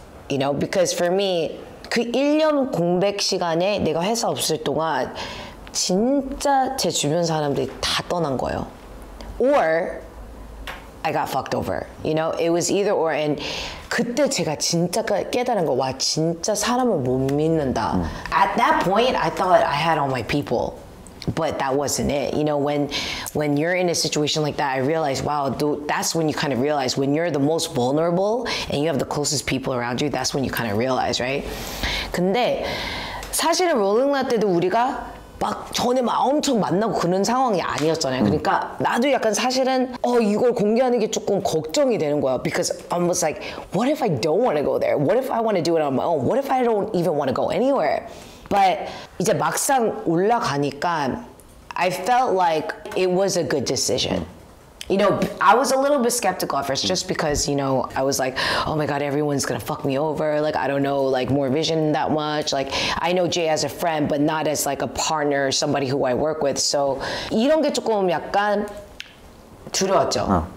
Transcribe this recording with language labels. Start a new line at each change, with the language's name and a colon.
English: You know, because for me
Korean: 그 1년 공백 시간에 내가 회사 없을 동안 진짜 제 주변 사람들이 다 떠난 거예요.
English: Or I got fucked over. You know, it was either or.
Korean: And 그때 제가 진짜 깨달은 거 와 진짜 사람을 못 믿는다.
English: At that point, I thought I had all my people, but that wasn't it. You know, when you're in a situation like that, I realized, wow, that's when you kind of realize when you're the most vulnerable and you have the closest people around you. That's when you kind of realize, right?
Korean: 근데 사실은 롤링라 때도 우리가 막 전에 막 엄청 만나고 그런 상황이 아니었잖아요. 그러니까 나도 약간 사실은 이걸 공개하는 게 조금 걱정이 되는 거야.
English: Because I'm just like, what if I don't want to go there? What if I want to do it on my own? What if I don't even want to go anywhere? But
Korean: 이제 막상 올라가니까
English: I felt like it was a good decision. You know, I was a little bit skeptical at first just because, you know, I was like, oh my God, everyone's gonna fuck me over. Like, I don't know, like, more vision that much. Like, I know Jay as a friend, but not as like a partner or somebody who I work with.
Korean: So, 이런 게 조금 약간 두려웠죠.